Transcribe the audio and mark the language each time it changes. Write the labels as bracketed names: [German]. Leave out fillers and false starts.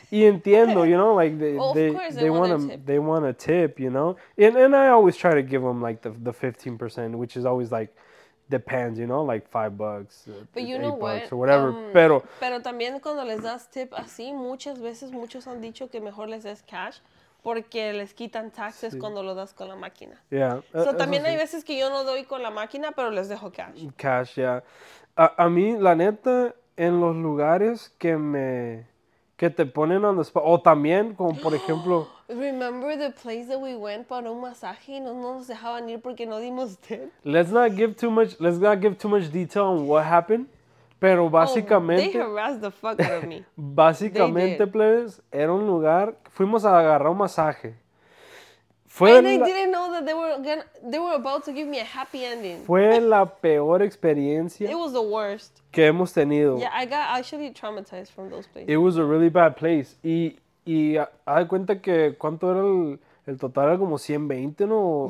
[Spanish] Y entiendo, [English] you know, like they want a tip, you know? And I always try to give them like the 15%, which is always like depends, you know, like $5. But you know what? Or whatever. Pero [Spanish] también cuando les das tip así, muchas veces muchos han dicho que mejor les des cash porque les quitan taxes sí. cuando lo das con la máquina. [English] Yeah. [Spanish] So también hay veces que yo no doy con la máquina, pero les dejo cash. Cash, yeah. A mí la neta en los lugares que te ponen [English] on the spot, [Spanish] o también, como por ejemplo... [English] Remember the place that we went [Spanish] para un masaje y no nos dejaban ir porque no dimos tip? [English] Let's not give too much detail on what happened, [Spanish] pero básicamente... [English] Oh, they harassed the fuck out of me. [Spanish] Básicamente, plebes, era un lugar, fuimos a agarrar un masaje. [English] Didn't know that they were about to give me a happy ending. [Spanish] Fue la peor experiencia. [English] It was the worst. [Spanish] Que hemos tenido. [English] Yeah, I got actually traumatized from those places. It was a really bad place. Y [Spanish] Y haz de cuenta que cuánto era el total, era como 120, ¿no?